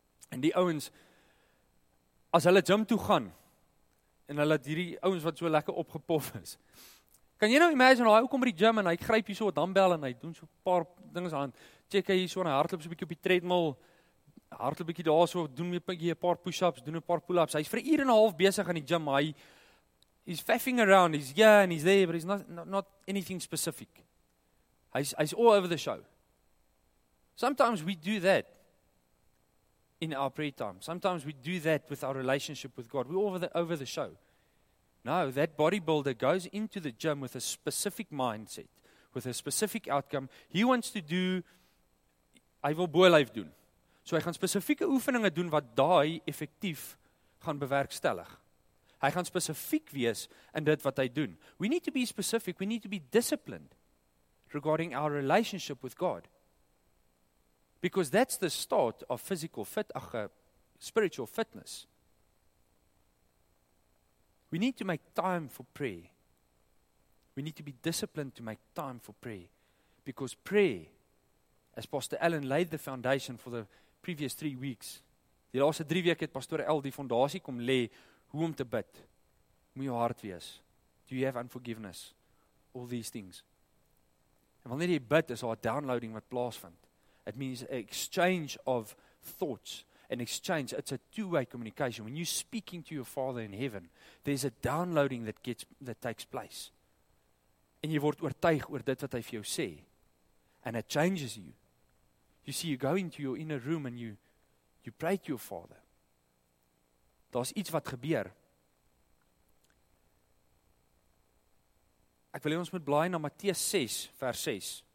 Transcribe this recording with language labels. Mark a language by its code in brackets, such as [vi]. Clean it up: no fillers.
[af] En die ouens, as hulle gym toe gaan, en hulle het hierdie ouens wat so lekker opgepof is. Kan jy nou imagine, hy kom by die gym en hy gryp hier so 'n dumbbell en hy doen so 'n paar dinges aan. Check hy hier so en hy hardloop so 'n bietjie op die treadmill, hardloop bietjie daar so, doen 'n paar push-ups, doen 'n paar pull-ups. Hy is vir 'n uur en 'n half besig aan die gym, maar [en] he's faffing around, he's here and he's there, but he's not anything specific. He's all over the show. Sometimes we do that in our prayer time. Sometimes we do that with our relationship with God. We're over the show. No, that bodybuilder goes into the gym with a specific mindset, with a specific outcome. He wants to do, [af] hy wil bo-lyf doen. So hy gaan spesifieke oefeninge doen wat daai effektief gaan bewerkstellig. Hy gaan spesifiek wees in dit wat hy doen. [en] We need to be specific, we need to be disciplined regarding our relationship with God. Because that's the start of spiritual fitness. We need to make time for prayer. We need to be disciplined to make time for prayer. Because prayer, as Pastor Allen laid the foundation for the previous 3 weeks, [af] die laaste 3 weke het Pastor Al die fondasie kom lê, hoe om te bid, moet jou hart wees. [en] Do you have unforgiveness? All these things. [af] En wanneer jy bid, is daar 'n downloading wat plaasvind. [en] It means an exchange of thoughts. an exchange. It's a two-way communication. When you're speaking to your Father in heaven, there's a downloading that takes place. [af] En jy word oortuig oor dit wat hy vir jou sê. [en] And it changes you. You see, you go into your inner room and you pray to your Father. [af] Daar's iets wat gebeur. Ek wil hê ons moet blaai na Matteus 6 vers 6.